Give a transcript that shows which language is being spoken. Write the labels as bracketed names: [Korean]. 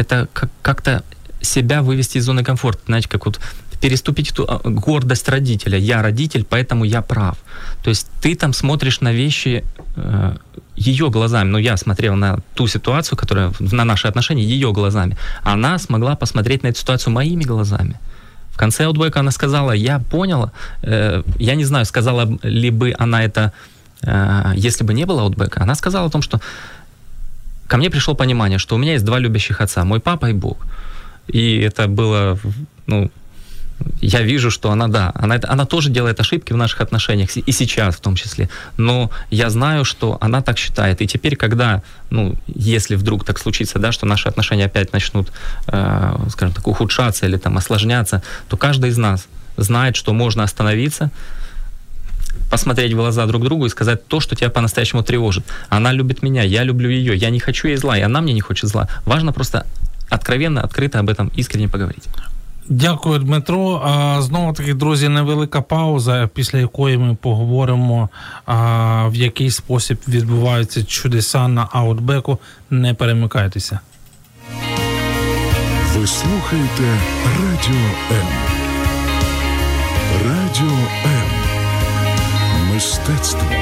[Ukrainian] Це як-то себе вивести з зони комфорту. Знаєте, як от переступити ту гордість родителя. Я родитель, тому я прав. Тобто ти там [Russian] смотриш [Ukrainian] на речі... [Russian] ее глазами, ну, я смотрел на ту ситуацию, которая на наши отношения, ее глазами. Она смогла посмотреть на эту ситуацию моими глазами. В конце Outback она сказала: я поняла, я не знаю, сказала ли бы она это, если бы не было Outback, она сказала о том, что ко мне пришло понимание, что у меня есть два любящих отца, мой папа и Бог. И это было, ну, я вижу, что она, да, она тоже делает ошибки в наших отношениях, и сейчас в том числе, но я знаю, что она так считает, и теперь, когда, ну, если вдруг так случится, да, что наши отношения опять начнут, скажем так, ухудшаться или там осложняться, то каждый из нас знает, что можно остановиться, посмотреть в глаза друг другу и сказать то, что тебя по-настоящему тревожит. Она любит меня, я люблю ее, я не хочу ей зла, и она мне не хочет зла. Важно просто откровенно, открыто об этом искренне поговорить. [Ukrainian] Дякую, Дмитро. Знову-таки, друзі, невелика пауза, після якої ми поговоримо, в який спосіб відбуваються чудеса на Аутбеку. Не перемикайтеся. Ви слухаєте Радіо М. Радіо М. Мистецтво.